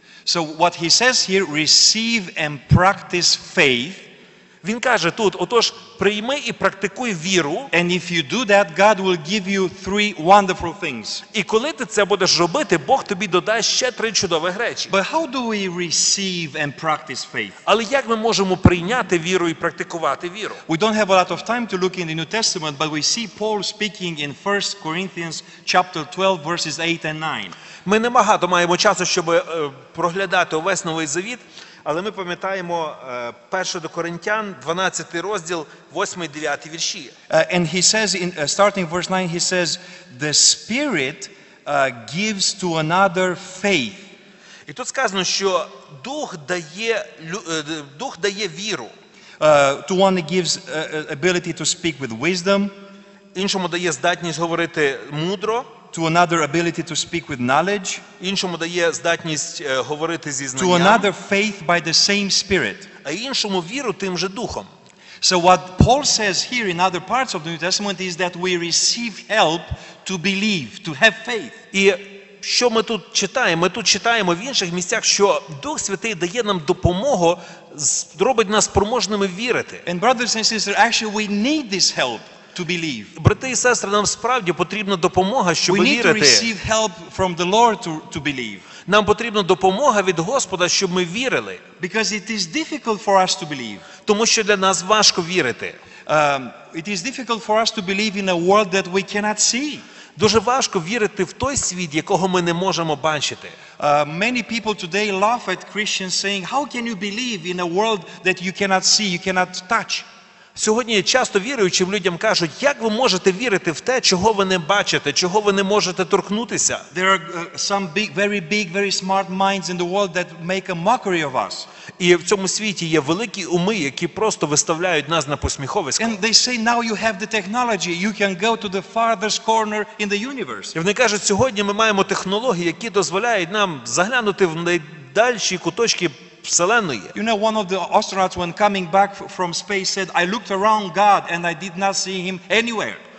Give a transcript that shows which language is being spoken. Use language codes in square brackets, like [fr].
[en] So what he says here, receive and practice faith. [uk] Він каже тут: "Отож, прийми і практикуй віру". [en] And if you do that, God will give you three wonderful things. [uk] І коли ти це будеш робити, Бог тобі додасть ще три чудових речі. [en] But how do we receive and practice faith? [uk] Але як ми можемо прийняти віру і практикувати віру? [en] We don't have a lot of time to look in the New Testament, but we see Paul speaking in 1 Corinthians chapter 12 verses 8 and 9. [uk] Ми не багато маємо часу, щоб проглядати увесь Новий Завіт. Але ми пам'ятаємо 1 до Коринтян, 12 розділ, 8-9 вірші. [en] And he says, in starting verse 9, he says, the Spirit gives to another faith. [uk] І тут сказано, що Дух дає віру. [en] To one gives ability to speak with wisdom. [uk] Іншому дає здатність говорити мудро. [en] To another ability to speak with knowledge. [uk] Іншому дає здатність говорити зі знанням. [en] To another faith by the same Spirit. [uk] А іншому віру тим же духом. [en] So what Paul says here in other parts of the New Testament is that we receive help to believe, to have faith. [uk] І що ми тут читаємо? Ми тут читаємо в інших місцях, що Дух Святий дає нам допомогу, зробить нас спроможними вірити. [en] And brothers and sisters, actually we need this help. To believe. [uk] Брати і сестри, нам справді потрібна допомога, щоб вірити. [en] We need вірити. To receive help from the Lord to believe. [uk] Нам потрібна допомога від Господа, щоб ми вірили. [en] Because it is difficult for us to believe. [uk] Тому що для нас важко вірити. [en] It is difficult for us to believe in a world that we cannot see. [uk] Дуже важко вірити в той світ, якого ми не можемо бачити. [en] Many people today laugh at Christians saying, how can you believe in a world that you cannot see, you cannot touch? [uk] Сьогодні часто віруючим людям кажуть: "Як ви можете вірити в те, чого ви не бачите, чого ви не можете торкнутися?" [en] There are some big, very big, very smart minds in the world that make a mockery of us. [uk] І в цьому світі є великі уми, які просто виставляють нас на посміховисько. [en] And they say now you have the technology, you can go to the farthest corner in the universe. [uk] І вони кажуть: "Сьогодні ми маємо технології, які дозволяють нам заглянути в найдальші куточки Вселенної". [en] You know, one of the astronauts when coming back from space said, I looked around God and I did not see him anywhere.